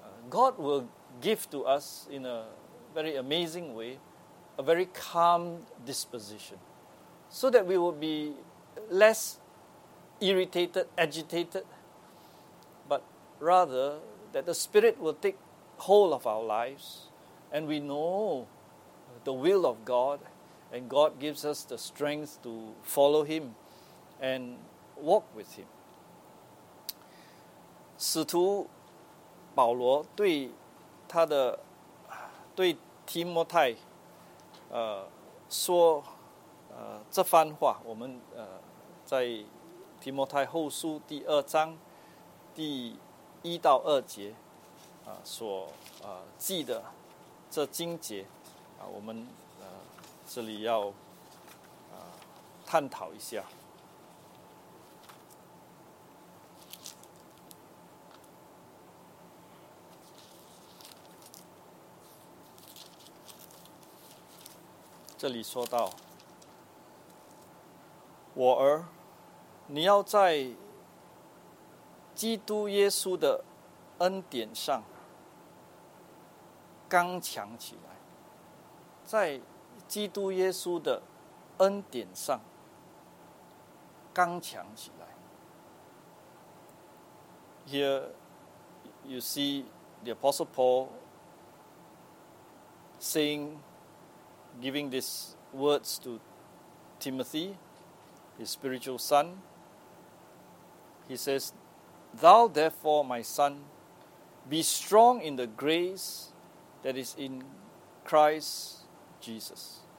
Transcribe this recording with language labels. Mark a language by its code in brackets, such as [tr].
[en] God will give to us in a very amazing way a very calm disposition so that we will be less irritated, agitated, but rather that the Spirit will take hold of our lives. And we know the will of God, and God gives us the strength to follow Him and walk with Him. [zh] 使徒保罗对他的对提摩太说这番话，我们在提摩太后书第二章第一到二节所记的。这经节我们这里要探讨一下。这里说到，我儿，你要在基督耶稣的恩典上刚强起来，在基督耶稣的恩典上刚强起来。 [en] Here you see the Apostle Paul saying, giving these words to Timothy, his spiritual son. He says, Thou therefore, my son, be strong in the grace that is in Christ Jesus.